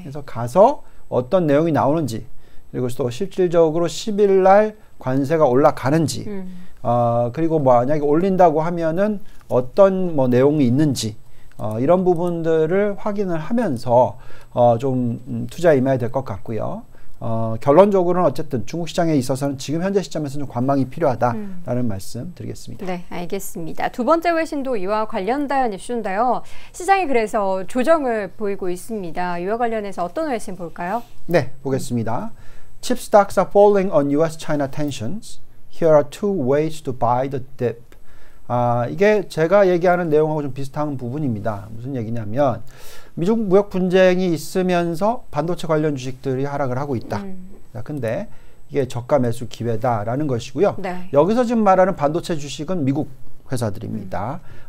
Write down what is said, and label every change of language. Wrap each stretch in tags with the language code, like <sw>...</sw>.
<ko>그래서 가서 어떤 내용이 나오는지 그리고 또 실질적으로 10일 날 관세가 올라가는지 그리고 만약에 올린다고 하면은 어떤 뭐 내용이 있는지 이런 부분들을 확인을 하면서 좀 투자에 임해야 될 것 같고요. 결론적으로는 어쨌든 중국 시장에 있어서는 지금 현재 시점에서는 좀 관망이 필요하다라는 말씀 드리겠습니다. 네, 알겠습니다. 두 번째 외신도 이와 관련된 이슈인데요. 시장이 그래서 조정을 보이고 있습니다. 이와 관련해서 어떤 외신 볼까요? 네, 보겠습니다.</ko> <en>Chip stocks are falling on US-China tensions. Here are two ways to buy the dip.</en> <ko>이게 제가 얘기하는 내용하고 좀 비슷한 부분입니다. 무슨 얘기냐면 미중 무역 분쟁이 있으면서 반도체 관련 주식들이 하락을 하고 있다. 근데 이게 저가 매수 기회다라는 것이고요. 네. 여기서 지금 말하는 반도체 주식은 미국 회사들입니다.</ko>